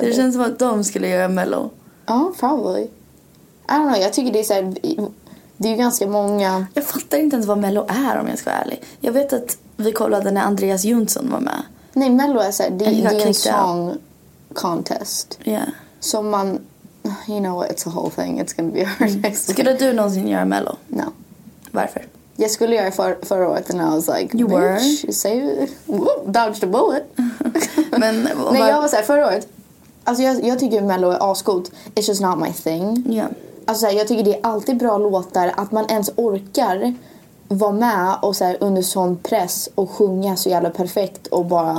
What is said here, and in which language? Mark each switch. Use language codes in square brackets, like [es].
[sv] det känns som att de skulle göra Mello. [en] Oh, probably. I don't know, [sv] jag tycker det är så här, det är ju ganska många. Jag fattar inte ens vad Mello är, om jag ska vara ärlig. Jag vet att vi kollade när Andreas Jonsson var med. Nej, Mello är så här, det är en [en] song contest. Yeah. [sv] Så man, [en] you know what, it's a whole thing. It's gonna be hard. [sv] Skulle du någonsin göra Mello? [en] No. [sv] Varför? Jag skulle göra förra året, [en] and I was like, you were? Say, dodged a bullet. [sv] Men, nej, jag var såhär, förra året, alltså jag tycker Mello är ascoolt. [en] It's just not my thing. Yeah. [sv] Alltså såhär, jag tycker det är alltid bra låtar, att man ens orkar vara med och såhär, under sån press, och sjunga så jävla perfekt och bara.